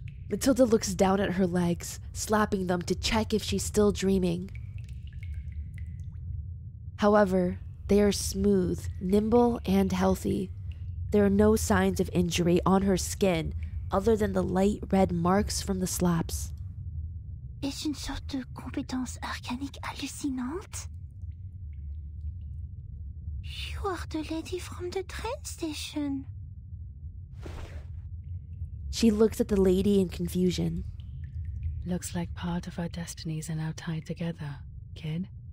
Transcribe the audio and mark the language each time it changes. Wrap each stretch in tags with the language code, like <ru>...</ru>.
<en>Matilda looks down at her legs, slapping them to check if she's still dreaming. However, they are smooth, nimble, and healthy. There are no signs of injury on her skin other than the light red marks from the slaps.</en> <fr>Est-ce une sorte de compétence arcanique hallucinante?</fr> <en>You are the lady from the train station. She looks at the lady in confusion. Looks like part of our destinies are now tied together, kid.</en>